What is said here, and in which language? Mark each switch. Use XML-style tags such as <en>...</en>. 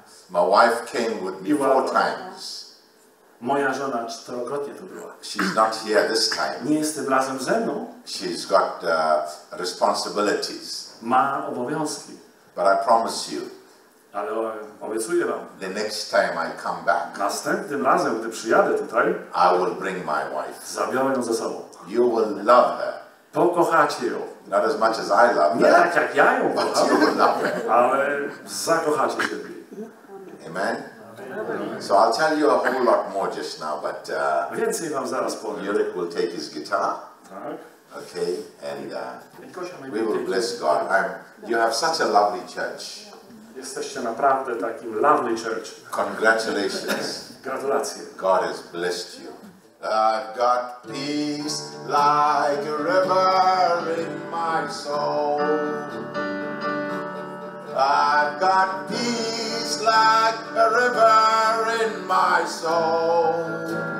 <en>My wife came with me four times.</en> <pl>Moja żona czterokrotnie tu była.</pl> <en>She's not here this time.</en> <pl>Nie jestem razem ze mną.</pl> <en>She's got responsibilities.</en> <pl>Ma obowiązki.</pl> <en>But I promise you.</en> <pl>Ale obiecuję wam.</pl> <en>The next time I come back.</en> <pl>Następnym razem, gdy przyjadę tutaj.</pl> <en>I will bring my wife.</en> <pl>Zabiorę ją ze sobą.</pl> <en>You will love her.</en> <pl>Pokochacie ją.</pl> <en>Not as much as I love</en> <pl>Nie</pl> <en>her.</en> <pl>Nie tak jak ja ją kocham.</pl> <en>But you will love her.</en> <pl>Ale zakochacie się w niej.</pl> <en>Amen. So I'll tell you a whole lot more just now, but</en> <pl>więcej wam zaraz powiem.</pl> <en>Jurek will take his guitar.</en> <pl>Tak.</pl> <en>Okay, and we will bless God. You have such a lovely church.</en> <pl>Jesteście naprawdę takim</pl> <en>lovely church. Congratulations.</en> <pl>Gratulacje.</pl> <en>God has blessed you. I've got peace like a river in my soul. I've got peace like a river in my soul.</en>